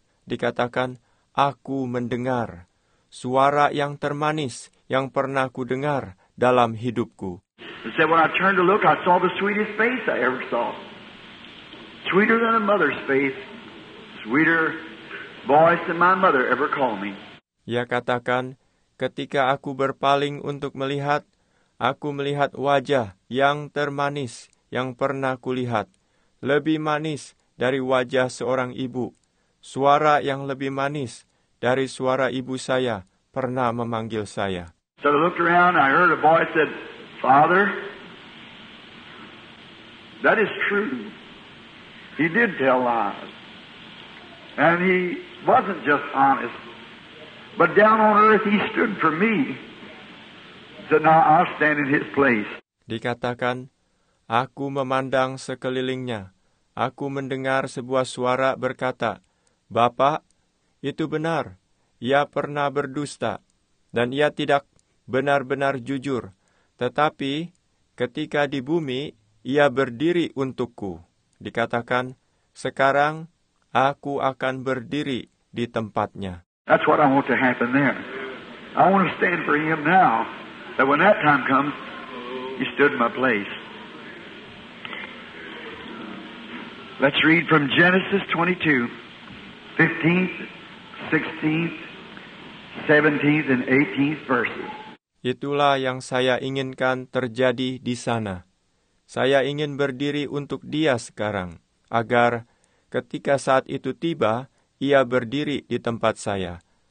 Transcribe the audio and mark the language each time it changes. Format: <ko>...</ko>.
<id>Dikatakan, aku mendengar suara yang termanis yang pernah ku dengar dalam hidupku.</id> <en>He said, "When I turned to look, I saw the sweetest face I ever saw. Sweeter than a mother's face. Sweeter voice than my mother ever called me."</en> <id>Ia katakan, "Ketika aku berpaling untuk melihat, aku melihat wajah yang termanis yang pernah kulihat. Lebih manis dari wajah seorang ibu. Suara yang lebih manis dari suara ibu saya pernah memanggil saya."</id> <en>So I looked around, I heard a voice said, "Father, that is true. He did tell lies. And he wasn't just honest, but down on earth he stood for me. So now I'll stand in his place.</en> <id>Dikatakan, aku memandang sekelilingnya. Aku mendengar sebuah suara berkata, Bapak, itu benar. Ia pernah berdusta, dan ia tidak benar-benar jujur. Tetapi, ketika di bumi, ia berdiri untukku. Dikatakan, sekarang aku akan berdiri di tempatnya.</id> <en>That's what I want to happen there. I want to stand for him now, that when that time comes, he stood in my place. Let's read from Genesis 22, 15th, 16th, 17th, and 18th verses.</en> <id>Itulah yang saya inginkan terjadi di sana. Saya ingin berdiri untuk dia sekarang, agar ketika saat itu tiba, ia berdiri di tempat saya.</id>